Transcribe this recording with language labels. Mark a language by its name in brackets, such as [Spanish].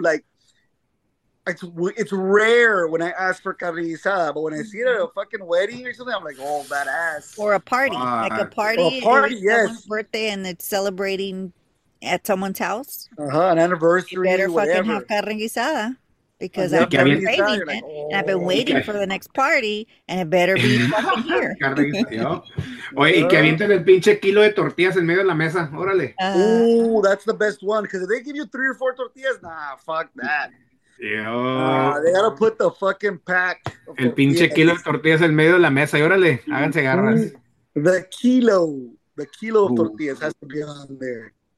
[English] Like, it's rare when I ask for carne asada, but when I see it at a fucking wedding or something, I'm like, oh, badass. Or a party. Like a party. Or a party, yes. Someone's birthday and it's celebrating at someone's house. Uh-huh, an anniversary, you better fucking whatever. Have carne asada because I've been craving it, like, oh, and I've been waiting for the next party and it better be fucking here. Carne asada. [Spanish] Oye, y que avienten el pinche kilo de tortillas en medio de la mesa. Órale. [English] Ooh, that's the best one because if they give you 3 or 4 tortillas, nah, fuck that. Yeah. They gotta put the fucking pack. [Spanish] El pinche kilo de tortillas en medio de la mesa. Y órale, háganse garras. [English] The kilo of tortillas has to be on there.